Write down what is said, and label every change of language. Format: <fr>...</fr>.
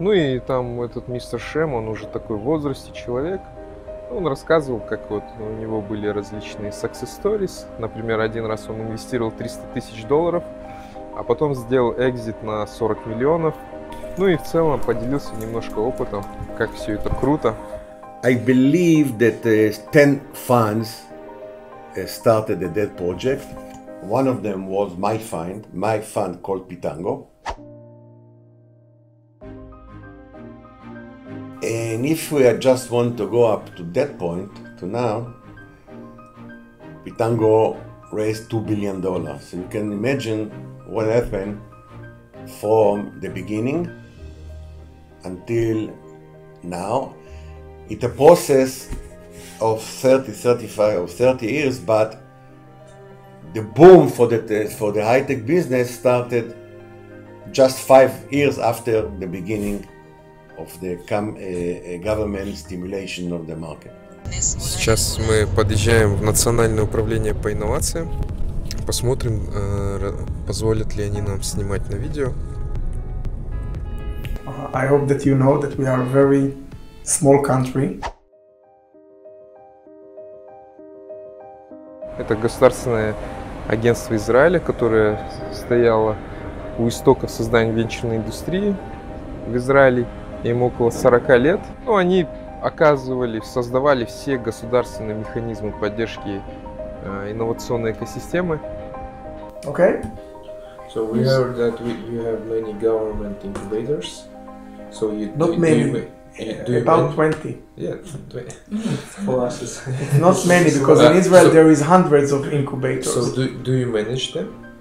<ru>Ну и там этот мистер Шем, он уже такой в возрасте человек, он рассказывал, как вот у него были различные</ru> <en>success stories.</en> <ru>Например, один раз он инвестировал $300,000, а потом сделал экзит на 40 миллионов. Ну и в целом поделился немножко опытом, как все это круто.</ru> <en>I believe that 10 funds started a dead project. One of them was my fund called Pitango. And if we just want to go up to that point, to now, Pitango raised $2 billion. So you can imagine what happened from the beginning until now. It's a process of 30 years, but the boom for the high-tech business started just 5 years after the beginning of the government stimulation of the market.</en> <ru>Сейчас мы подъезжаем в Национальное управление по инновациям. Посмотрим, позволят ли они нам снимать на видео.</ru> <en>I hope that you know that we are a very small country.</en> <ru>Это государственное агентство Израиля, которое стояло у истоков создания венчурной индустрии в Израиле. Им около 40 лет. Ну, они создавали все государственные механизмы поддержки инновационной экосистемы.</ru> <en>Okay. So we heard that you have many government incubators. So you not do, many. Do you, do you about 20. Yeah. For us, it's not many because in Israel there is hundreds of incubators. So do you manage them?</en>